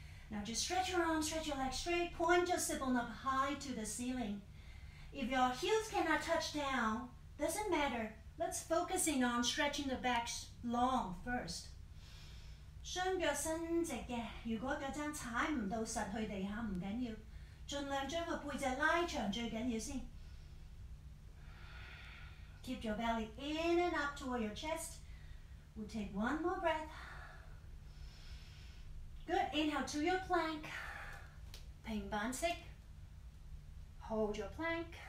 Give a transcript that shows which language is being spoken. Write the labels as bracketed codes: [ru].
[en] Now just stretch your arms, stretch your legs straight, point your sit bone up high to the ceiling. If your heels cannot touch down, doesn't matter. Let's focus in on stretching the back long first. [yue] 雙腳伸直嘅，如果嗰張踩唔到實去地下唔緊要，盡量將個背脊拉長最緊要先。 [en] Keep your belly in and up toward your chest. We'll take one more breath. Good, inhale to your plank. [yue] 平板式. [en] Hold your plank.